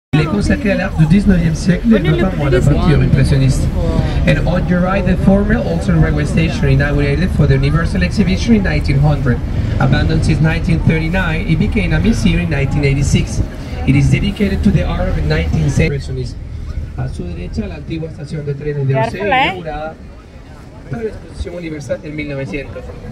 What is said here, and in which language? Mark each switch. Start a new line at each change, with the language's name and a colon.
French: Consacré à l'art du 19e siècle et notamment à l'aventure impressionniste.
English: And on your right, the former Olsen Railway Station, inaugurated for the Universal Exhibition in 1900. Abandoned since 1939, it became a museum in 1986. It is dedicated to the art of the 19th century impressionist.
Spanish: A su derecha, la antigua estación de trenes de Orsay, inaugurada para la Exposición Universal en 1900.